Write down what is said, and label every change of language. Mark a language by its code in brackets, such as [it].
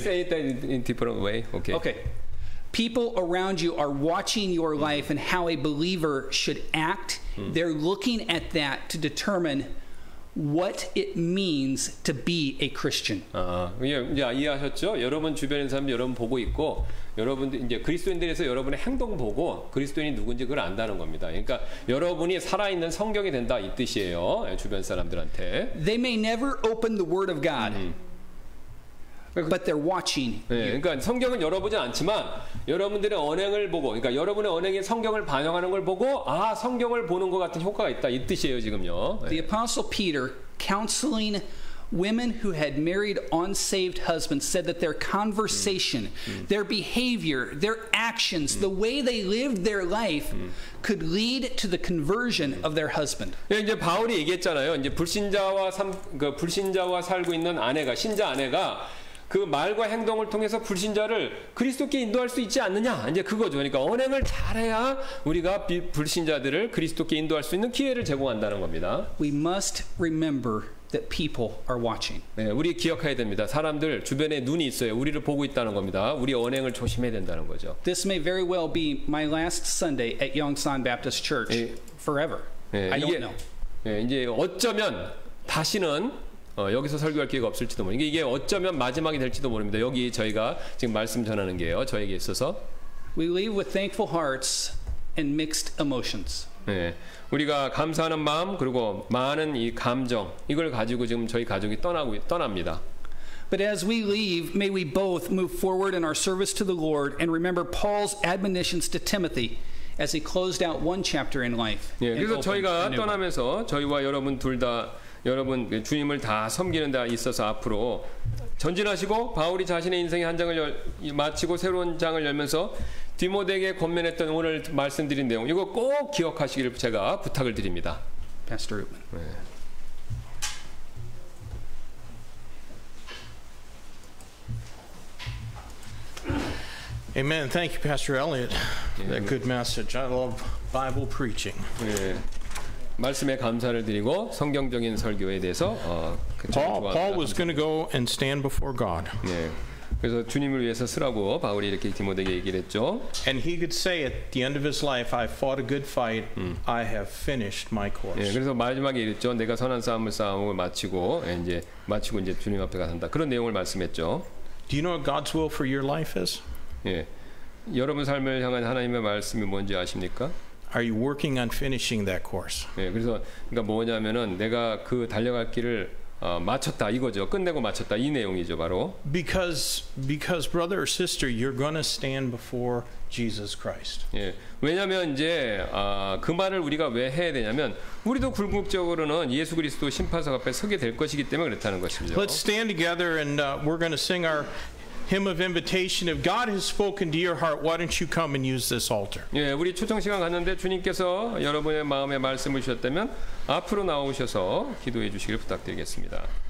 [en] say it in a different way? Okay. Okay. People around you are watching your life and how a believer should act. They're looking at that to determine what it means to be a Christian. [ko] 이제 이해하셨죠? 여러분 주변인 사람들 여러분 보고 있고 여러분들 이제 그리스도인들에서 여러분의 행동 보고 그리스도인이 누군지 그걸 안다는 겁니다. 그러니까 여러분이 살아있는 성경이 된다 이 뜻이에요. 주변 사람들한테. [en] They may never open the word of God. But they're watching. [ko] 네, 그러니까 성경은 열어보지 않지만 여러분들의 언행을 보고, 그러니까 여러분의 언행이 성경을 반영하는 걸 보고, 아, 성경을 보는 것 같은 효과가 있다 이 뜻이에요 지금요. 네. [en] The Apostle Peter counseling women who had married unsaved husbands said that their conversation, their behavior, their actions, the way they lived their life could lead to the conversion of their husband. [ko] 예, 이제 바울이 얘기했잖아요. 이제 불신자와 그 불신자와 살고 있는 아내가 신자 아내가 그 말과 행동을 통해서 불신자를 그리스도께 인도할 수 있지 않느냐? 이제 그거죠. 그러니까 언행을 잘해야 우리가 불신자들을 그리스도께 인도할 수 있는 기회를 제공한다는 겁니다. [en] We must remember that people are watching. [ko] 네, 우리 기억해야 됩니다. 사람들 주변에 눈이 있어요. 우리를 보고 있다는 겁니다. 우리 언행을 조심해야 된다는 거죠. [en] This may very well be my last Sunday at Yongsan Baptist Church forever. [ko] 네, 이게, [en] I don't know. [ko] 네, 이제 어쩌면 다시는 여기서 설교할 기회가 없을지도 모르니까 이게 어쩌면 마지막이 될지도 모릅니다. 여기 저희가 지금 말씀 전하는 게요. 저에게 있어서 [en] We leave with thankful hearts and mixed emotions. [ko] 네, 우리가 감사하는 마음 그리고 많은 이 감정 이걸 가지고 지금 저희 가족이 떠납니다. [en] But as we leave, may we both move forward in our service to the Lord and remember Paul's admonitions to Timothy. As he closed out one chapter in life. [ko] 예, 그래서 저희가 떠나면서 저희와 여러분 둘 다 여러분 주님을 다 섬기는 데 있어서 앞으로 전진하시고 바울이 자신의 인생의 한 장을 마치고 새로운 장을 열면서 디모데에게 권면했던 오늘 말씀드린 내용 이거 꼭 기억하시기를 제가 부탁을 드립니다. [en] Pastor Ruben. [ko] 네. [en] Amen. Thank you, Pastor Elliot. That good message. I love Bible preaching. [ko] 예, 말씀에 감사를 드리고 성경적인 설교에 대해서 [en] Paul was going to go and stand before God. [ko] 예, 그래서 주님을 위해서 쓰라고 바울이 이렇게 디모데에게 얘기를 했죠. [en] And he could say at the end of his life, I fought a good fight. I have finished my course. [ko] 예, 그래서 마지막에 이랬죠. 내가 선한 싸움을 싸우고 마치고 이제 주님 앞에 가선다. 그런 내용을 말씀했죠. [en] Do you know what God's will for your life is? [ko] 예, 여러분 삶을 향한 하나님의 말씀이 뭔지 아십니까? [en] Are you working on finishing that course? [ko] 예, 그래서 그러니까 뭐냐면은 내가 그 달려갈 길을 마쳤다 이거죠. 끝내고 마쳤다 이 내용이죠, 바로. [en] Because brother or sister, you're gonna stand before Jesus Christ. [ko] 예, 왜냐면 이제 그 말을 우리가 왜 해야 되냐면 우리도 궁극적으로는 예수 그리스도 심판석 앞에 서게 될 것이기 때문에 그렇다는 것이죠. [en] Let's stand together and we're gonna sing our Hymn of invitation. If God has spoken to your heart, why don't you come and use this altar? [ko] 예, 우리 초청 시간 갔는데 주님께서 여러분의 마음에 말씀을 주셨다면 앞으로 나오셔서 기도해 주시길 부탁드리겠습니다.